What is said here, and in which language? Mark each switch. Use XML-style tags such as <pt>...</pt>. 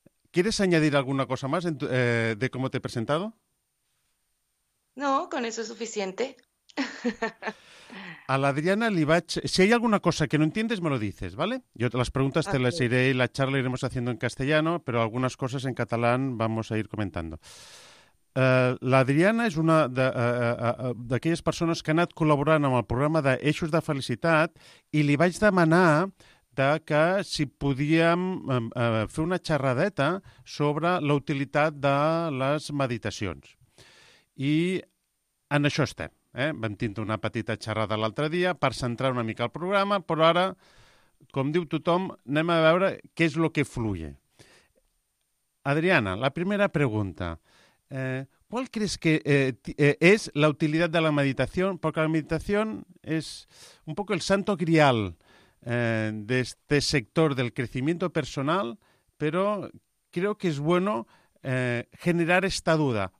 <es>¿Quieres añadir alguna cosa más de cómo te he presentado? No, con eso es suficiente.</es> <ca>A la Adriana li vaig...</ca> <es>Si hay alguna cosa que no entiendes, me lo dices, ¿vale? Yo las preguntas te las iré y la charla iremos haciendo en castellano, pero algunas cosas en catalán vamos a ir comentando.</es> <ca>La Adriana és una d'aquelles persones que ha anat col·laborant amb el programa d'Eixos de Felicitat i li vaig demanar que si podíem fer una xerradeta sobre la utilitat de les meditacions. I en això estem. Vam tindre una petita xerrada l'altre dia per centrar una mica el programa, però ara, com diu tothom, anem a veure què és el que fluye.</ca> <es>Adriana, la primera pregunta. ¿Cuál crees que es la utilidad de la meditación? Porque la meditación es un poco el santo grial de este sector del crecimiento personal, pero creo que es bueno generar esta duda.</es>